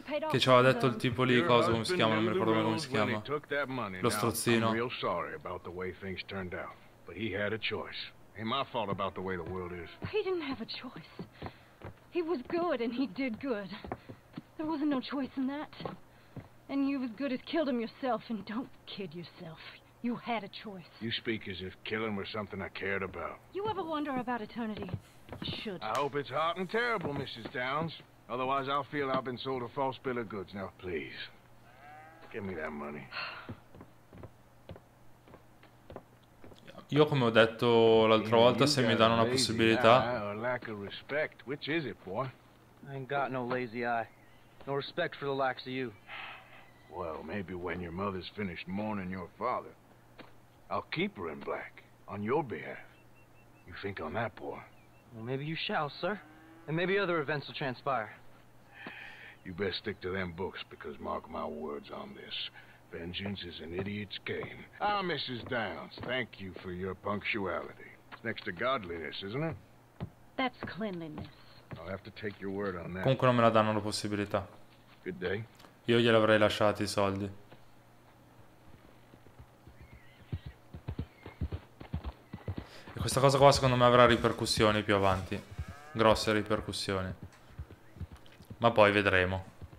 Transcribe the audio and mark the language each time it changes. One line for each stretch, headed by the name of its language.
Italian: Che ci aveva detto il tipo lì, cosa, come si chiama, non mi ricordo come si chiama. Lo strozzino.
English: I'm real sorry about the way things turned out, but he had a choice. Ain't my fault about the way the world is. He didn't have a choice. He was good and he did good. There wasn't no choice in that. And you as good as killed him yourself, and don't kid yourself. You had a choice. You speak as if killing was something I cared about. You ever wonder about eternity? You should. I hope it's hot and terrible, Mrs. Downs. Otherwise, I'll feel I've been sold a false bill of goods. Now, please, give me that money.
Italian: Io, come ho detto l'altra volta, se mi danno una possibilità...
English: Lack of respect. Which is it, boy? I ain't got no lazy eye. No respect for the likes of you. Well, maybe when your mother's finished mourning your father, I'll keep her in black on your behalf. You think on that, boy? Well, maybe you shall, sir. And maybe other events will transpire. You best stick to them books, because mark my words on this. Vengeance is an idiot's game. Ah, Mrs. Downs, thank you for your punctuality. It's next to godliness, isn't it? That's cleanliness. I'll have to take your word on that.
Italian: Comunque non me la danno la possibilità.
English: Good day.
Italian: Io gliel' avrei lasciati i soldi. E questa cosa qua secondo me avrà ripercussioni più avanti. Grosse ripercussioni. Ma poi vedremo.